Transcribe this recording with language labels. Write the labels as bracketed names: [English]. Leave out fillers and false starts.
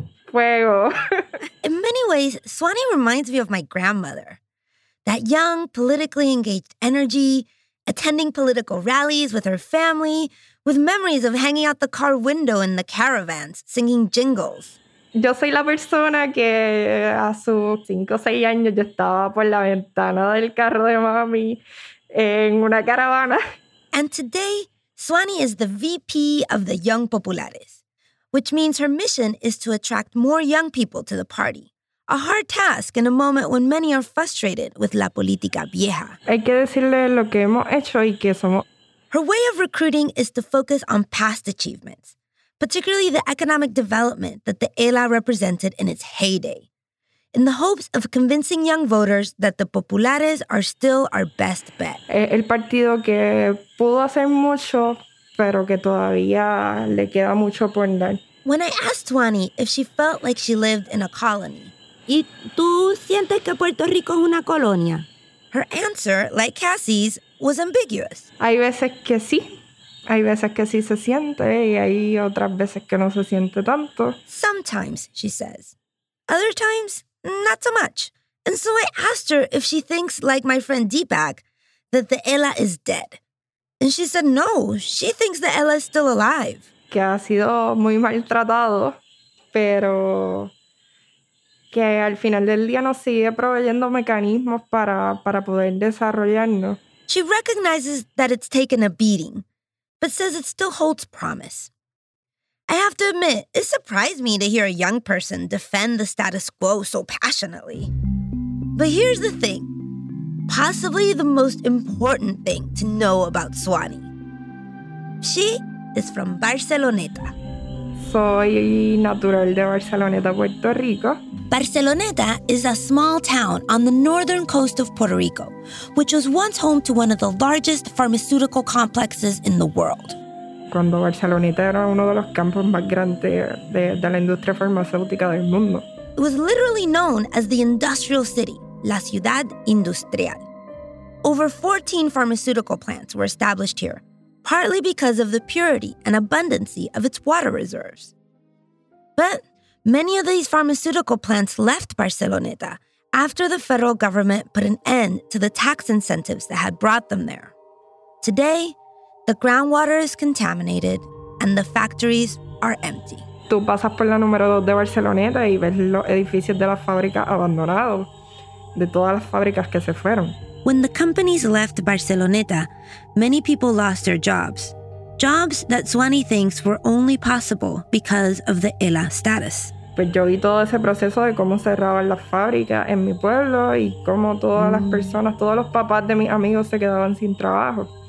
[Spanish] Fuego. [English] In many ways, Swanee reminds me of my grandmother. That young, politically engaged energy, attending political rallies with her family, with memories of hanging out the car window in the caravans, singing jingles. [Spanish] Yo soy la persona que a sus 5 o 6 años yo estaba por la ventana del carro de mami en una caravana. [English] And today, Swanee is the VP of the Young Populares, which means her mission is to attract more young people to the party. A hard task in a moment when many are frustrated with [Spanish] la política vieja. Hay que decirle lo que hemos hecho y que somos. [English] Her way of recruiting is to focus on past achievements, particularly the economic development that the ELA represented in its heyday, in the hopes of convincing young voters that the populares are still our best bet. [Spanish] El partido que pudo hacer mucho, pero que todavía le queda mucho por dar. [English] When I asked Swanee if she felt like she lived in a colony, [Spanish] ¿y tú sientes que Puerto Rico es una colonia? [English] Her answer, like Cassie's, was ambiguous. [Spanish] Hay veces que sí. Hay veces que sí se siente y hay otras veces que no se siente tanto. [English] Sometimes, she says. Other times, not so much. And so I asked her if she thinks, like my friend Deepak, that the Ella is dead. And she said no, she thinks the Ella is still alive. [Spanish] Que ha sido muy maltratado, pero que al final del día nos sigue proveyendo mecanismos para poder desarrollarnos. [English] She recognizes that it's taken a beating, but says it still holds promise. I have to admit, it surprised me to hear a young person defend the status quo so passionately. But here's the thing, possibly the most important thing to know about Swani. She is from Barceloneta. [Spanish] Soy natural de Barceloneta, Puerto Rico. [English] Barceloneta is a small town on the northern coast of Puerto Rico, which was once home to one of the largest pharmaceutical complexes in the world. [Spanish] Cuando Barceloneta era uno de los campos más grandes de la industria farmacéutica del mundo. [English] It was literally known as the industrial city, [Spanish] la ciudad industrial. [English] Over 14 pharmaceutical plants were established here, partly because of the purity and abundancy of its water reserves. But many of these pharmaceutical plants left Barceloneta after the federal government put an end to the tax incentives that had brought them there. Today, the groundwater is contaminated and the factories are empty. [Spanish] Tú pasas por la número 2 de Barceloneta y ves los edificios de la fábrica abandonados, de todas las fábricas que se fueron. [English] When the companies left Barceloneta, many people lost their jobs. Jobs that Swani thinks were only possible because of the ELA status. [Spanish] Pues yo vi todo ese proceso de cómo cerraban las fábricas en mi pueblo y cómo todas las personas, todos los papás de mis amigos se quedaban sin trabajo.